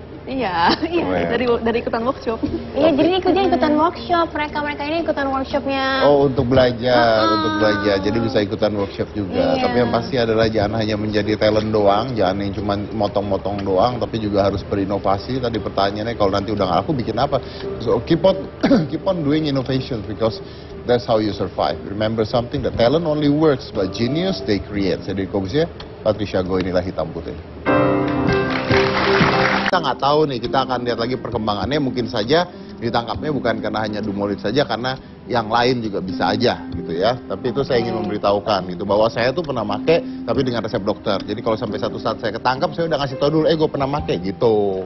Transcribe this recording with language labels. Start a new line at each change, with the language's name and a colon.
Indonesian: Iya, dari ikutan workshop. Iya, jadi ikutnya ikutan workshop. Mereka-mereka ini ikutan workshopnya. Oh, untuk belajar, untuk belajar. Jadi bisa ikutan workshop juga. Iya. Tapi yang pasti adalah jangan hanya menjadi talent doang, jangan yang cuma motong-motong doang, tapi juga harus berinovasi. Tadi pertanyaannya, kalau nanti udah aku bikin apa?
English: So keep on doing innovation because that's how you survive. Remember something, the talent only works, but genius they create.
Indonesian: Jadi kongsi ya, Patricia Goh inilah hitam putih. Kita nggak tahu nih, kita akan lihat lagi perkembangannya, mungkin saja ditangkapnya bukan karena hanya Dumolit saja, karena yang lain juga bisa aja gitu ya. Tapi itu saya ingin memberitahukan gitu, bahwa saya tuh pernah make tapi dengan resep dokter. Jadi kalau sampai satu saat saya ketangkap, saya udah ngasih tau dulu, gue pernah make gitu.